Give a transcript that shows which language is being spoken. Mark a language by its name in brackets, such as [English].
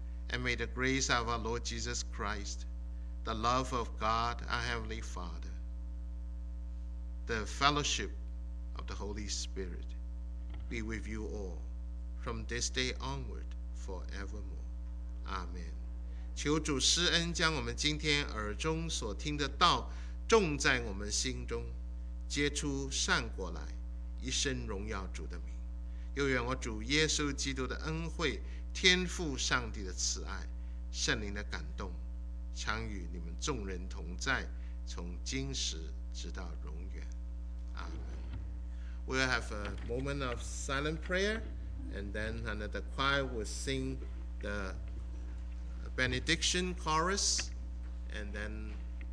[English] And may the grace of our Lord Jesus Christ, the love of God, our Heavenly Father, the fellowship of the Holy Spirit be with you all from this day onward forevermore. Amen. [Chinese] 求主施恩将我们今天耳中所听的道种在我们心中，结出善果来，一生荣耀主的名。又愿我主耶稣基督的恩惠、天父上帝的慈爱、圣灵的感动，常与你们众人同在，从今时直到永远。 [English] Amen. We'll have a moment of silent prayer, and then another choir will sing the benediction chorus, and then